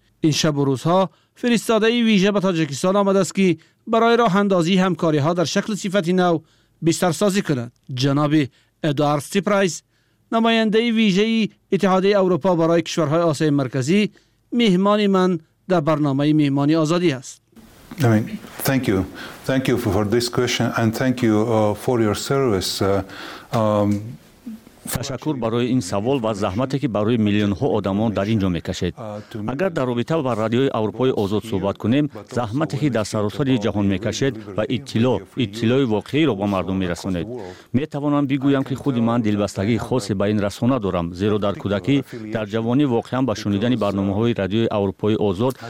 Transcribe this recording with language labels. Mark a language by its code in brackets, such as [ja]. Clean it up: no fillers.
[fa] این شب و روزها فرستاده ویژه به تاجیکستان آمده است که برای راه اندازی همکاری ها در شکل صفت نو بیشتر سازی کند. جناب ادوارد سیپرایس نماینده ویژه اتحادیه اروپا برای کشورهای آسیای مرکزی مهمان من در برنامه مهمانی آزادی است. [en] Thank you for this question and thank you for your service. [fa] تشکر برای این سوال و زحمتی که برای میلیون ها آدمان در اینجا میکشید. اگر در رابطه با رادیوی اروپای آزاد صحبت کنیم، زحمتی که در سراسر جهان میکشید و اطلاع واقعی را به مردم میرسانید. میتوانم بگویم که خود من دلبستگی خاصی به این رسانه دارم، زیرا در کودکی در جوانی واقعا به شنیدن برنامه‌های رادیوی اروپای آزاد